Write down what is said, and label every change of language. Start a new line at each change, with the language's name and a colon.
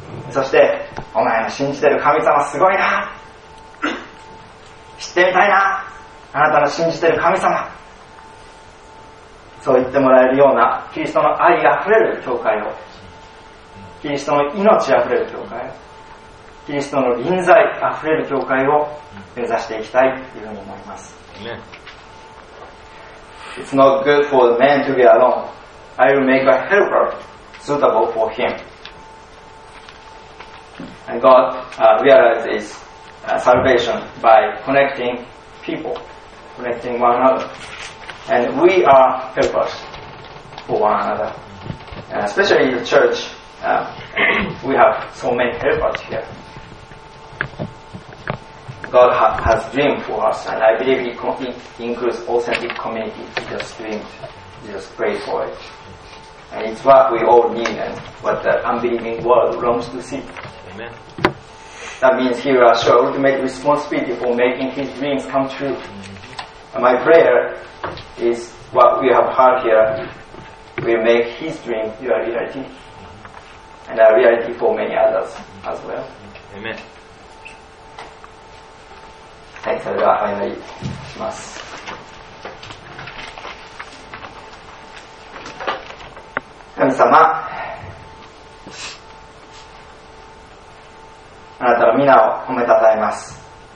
Japanese: そしてお前の信じてる神様すごいな、知ってみたいな、あなたの信じてる神様、そう言ってもらえるようなキリストの愛あふれる教会を、キリストの命あふれる教会、キリストの臨在あふれる教会を目指していきたいというふうに思います。
English: It's not good for the man to be alone. I will make a helper suitable for himAnd God realizes salvation by connecting people, connecting one another. And we are helpers for one another. Especially in the church, we have so many helpers here. God has dream for us, and I believe it includes authentic community. Jesus dreamed, Jesus prayed for it. And it's what we all need and what the unbelieving world longs to see. That means he will assure ultimate responsibility for making his dreams come true. And my prayer is what we have heard here will make his dream your reality and a reality for many others as well. Amen.
Japanese: はい、それではファイナリーします。神様、あなたの皆を褒めたたえます。